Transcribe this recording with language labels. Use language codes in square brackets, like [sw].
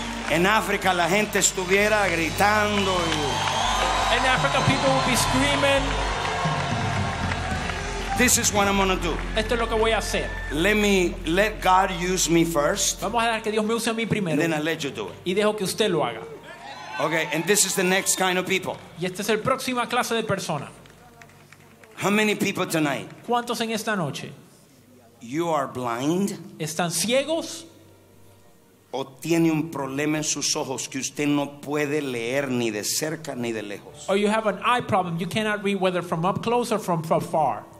[es] En África la gente estuviera gritando. [en] In Africa, people would be screaming. This is what I'm gonna do. [es] Esto es lo que voy a hacer. [en] Let God use me first. [es] Vamos a dejar que Dios me use a mí primero. [en] And then I'll let you do it. [es] Y dejo que usted lo haga. [en] Okay, and this is the next kind of people. [es] Y esta es la próxima clase de persona. [en] How many people tonight? [es] ¿Cuántos en esta noche? [en] You are blind. [es] ¿Están ciegos? O tiene un problema en sus ojos que usted no puede leer ni de cerca ni de lejos. [en] Or you have an eye problem, you cannot read whether from up close or from far.